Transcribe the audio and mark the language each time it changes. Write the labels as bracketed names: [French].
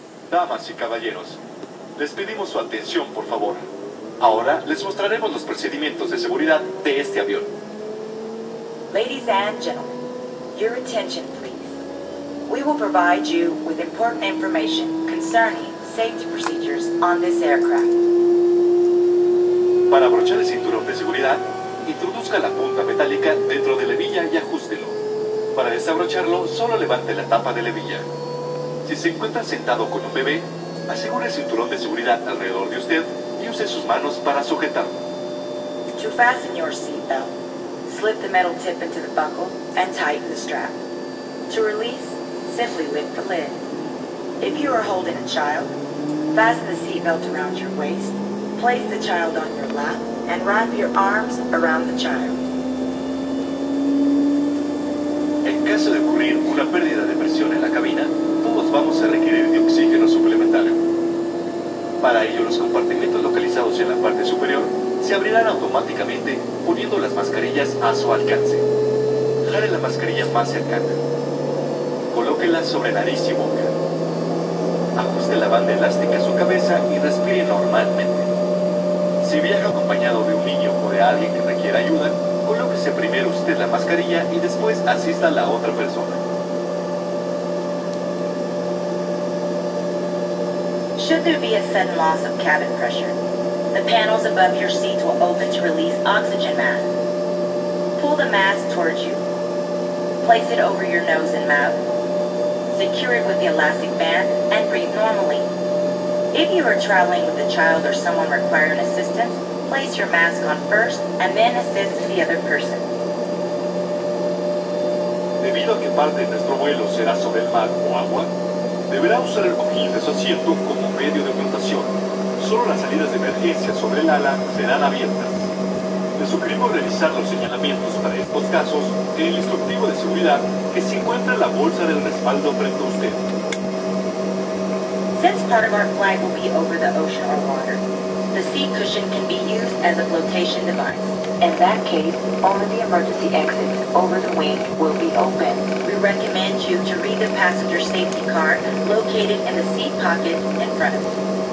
[Spanish] Damas y caballeros, les pedimos su atención, por favor. Ahora les mostraremos los procedimientos de seguridad de este avión. [English] Ladies and gentlemen, your attention please. We will provide you with important information concerning safety procedures on this aircraft. [Spanish] Para abrochar el cinturón de seguridad, introduzca la punta metálica dentro de la hebilla y ajústelo. Para desabrocharlo, solo levante la tapa de la hebilla. Si se encuentra sentado con un bebé, asegure el cinturón de seguridad alrededor de usted y use sus manos para sujetarlo. [English] To fasten your seatbelt, slip the metal tip into the buckle and tighten the strap. To release, simply lift the lid. If you are holding a child, fasten the seatbelt around your waist, place the child on your lap, and wrap your arms around the child. [Spanish] En caso de ocurrir una pérdida de presión en la cabina, todos vamos a requerir de oxígeno suplementario. Para ello, los compartimentos localizados en la parte superior se abrirán automáticamente poniendo las mascarillas a su alcance. Jale la mascarilla más cercana. Colóquela sobre nariz y boca. Ajuste la banda elástica a su cabeza y respire normalmente. Si viaja acompañado de un niño o de alguien que requiera ayuda, colóquese primero usted la mascarilla y después asista a la otra persona. [English] Should there be a sudden loss of cabin pressure, the panels above your seats will open to release oxygen mask. Pull the mask towards you. Place it over your nose and mouth. Secure it with the elastic band and breathe normally. If you are traveling with a child or someone requiring assistance, place your mask on first and then assist the other person. [Spanish] Debido a que parte de nuestro vuelo será sobre el mar o agua, deberá usar el cojín de su asiento como medio de flotación. Solo las salidas de emergencia sobre el ala serán abiertas. Les sugerimos realizar los señalamientos para estos casos en el instructivo de seguridad que se encuentra en la bolsa del respaldo frente a usted. [English] Since part of our flight will be over the ocean or water, the seat cushion can be used as a flotation device. In that case, only the emergency exits over the wing will be open. We recommend you to read the passenger safety card located in the seat pocket in front of you.